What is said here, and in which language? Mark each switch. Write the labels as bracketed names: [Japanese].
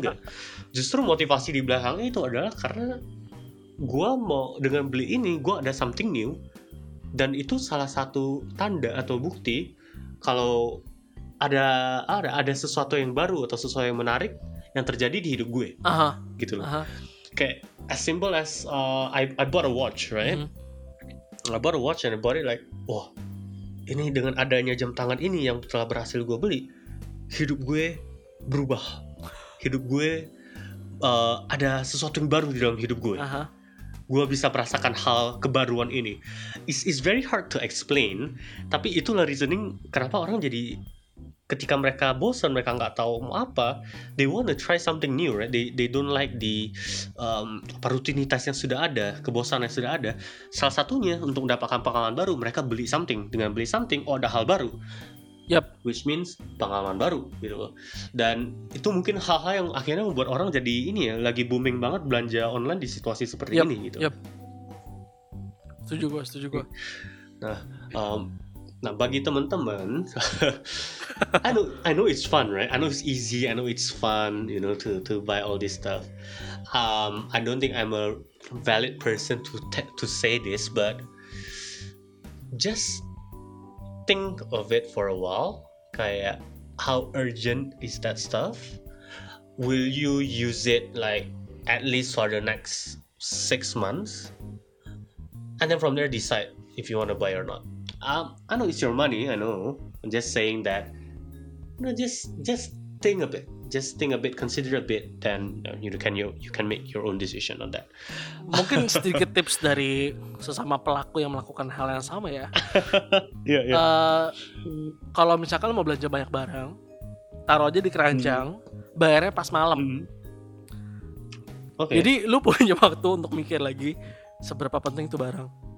[Indonesian] Enggak, justru motivasi di belakangnya itu adalah karena gue mau dengan beli ini gue ada something new, dan itu salah satu tanda atau bukti kalau ada sesuatu yang baru atau sesuatu yang menarik yang terjadi di hidup gue. Aha. Gitu loh. Aha. [English] Kayak as simple as I bought a watch, right? [Indonesian] Mm-hmm. [English] I bought a watch and I bought it like, [Indonesian] wah, ini dengan adanya jam tangan ini yang telah berhasil gue beli, hidup gue berubah. Hidup gue ada sesuatu yang baru di dalam hidup gue. Aha. Gue bisa merasakan hal kebaruan ini. [English] It's very hard to explain, [Indonesian] tapi itulah reasoning kenapa orang jadi, ketika mereka bosan, mereka nggak tahu mau apa, [English] they want to try something new, right? They don't like the [Indonesian] rutinitas yang sudah ada, kebosanan yang sudah ada. Salah satunya untuk mendapatkan pengalaman baru, mereka beli something. Dengan beli something, oh ada hal baru. Yep. [English] Which means [Indonesian] pengalaman baru, gitu. Dan itu mungkin hal-hal yang akhirnya membuat orang jadi ini ya, lagi booming banget belanja online di situasi seperti ini, gitu. Yep. Setuju gue. Nah, bagi teman-teman, [English] I know it's fun, right? I know it's easy, I know it's fun, you know, to buy all this stuff. I don't think I'm a valid person to say this, but just think of it for a while. Kayak, how urgent is that stuff? Will you use it, like, at least for the next 6 months? And then from there, decide if you want to buy or not. I know it's your money, I know. I'm just saying that, you know, just think a bit. Just think a bit, consider a bit, then you can make your own decision on that. [Indonesian] Mungkin sedikit tips dari sesama pelaku yang melakukan hal yang sama ya. Yeah. Kalau misalkan mau belanja banyak barang, taruh aja di keranjang, bayarnya pas malam. Okay. Jadi lu punya waktu untuk mikir lagi seberapa penting itu barang.